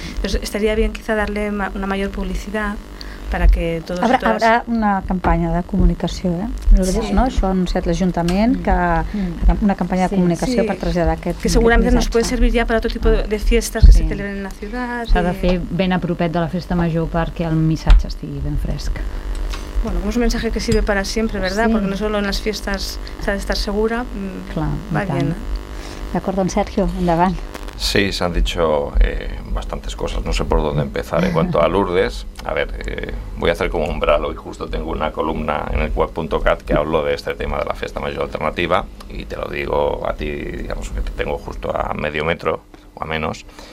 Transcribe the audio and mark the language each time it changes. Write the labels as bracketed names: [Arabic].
[Spanish] Entonces estaría bien quizá darle una mayor publicidad para que todos y todas... Habrá una campaña de comunicación, ¿eh? [Catalan] Sí. ¿No? Això ha anunciat l'Ajuntament que [Spanish] una campaña de comunicación, sí, para [Catalan] traslladar aquest... [Spanish] Que seguramente nos puede servir ya para otro tipo de fiestas que se celebren en la ciudad... [Catalan] S'ha de fer ben a propet de la festa major perquè el missatge estigui ben fresc. [Spanish] Bueno, es un mensaje que sirve para siempre, ¿verdad? Sí. Porque no solo en las fiestas se ha de estar segura. Claro, va bien. De acuerdo, don Sergio, [Catalan] endavant. [Spanish] Sí, se han dicho bastantes cosas. No sé por dónde empezar. En cuanto a Lourdes, a ver, voy a hacer como un bralo y justo tengo una columna en el web.cat que hablo de este tema de la fiesta mayor alternativa y te lo digo a ti, digamos, que te tengo justo a medio metro o a menos.